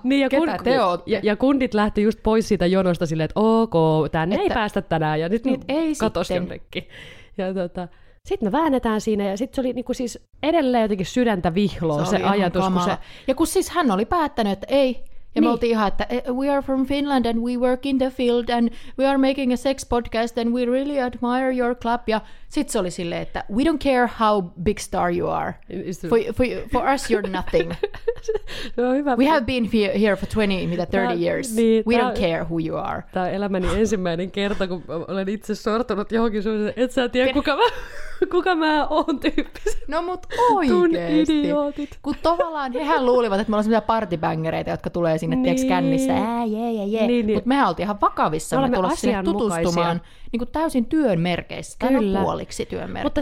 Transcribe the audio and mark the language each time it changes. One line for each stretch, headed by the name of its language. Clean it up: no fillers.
Finnish: Niin, ja kundit lähti just pois siitä jonosta silleen, että ok, tänne ei päästä tänään. Ja nyt ei katosi sitten. Jonnekin. Ja sitten me väännetään siinä ja sitten se oli niinku siis edelleen jotenkin sydäntä vihloa se ajatus. Kun siis hän oli päättänyt, että ei... Ja niin. Me oltiin ihan, että
English: we are from Finland and we work in the field and we are making a sex podcast and we really admire your club.
Finnish: Ja sit se oli silleen, että
English: we don't care how big star you are. For us you're nothing.
Finnish: No, hyvä.
English: We have been here for 30 years. Niin, we don't care who you are.
Finnish: Tää on elämäni ensimmäinen kerta, kun olen itse sortunut johonkin sellaiseen, et sä tiedä kuka mä oon tyyppisen. No mut oikeesti. Tun idiootit. Kun tavallaan hehän luulivat, että me ollaan sellaisia partybängereitä, jotka tulee sinne niin. tiiäks kännissä, mutta mehän oltiin ihan vakavissa, me tulla sinne tutustumaan niin kuin täysin työn merkeissä, tämän puoliksi työn merkeissä.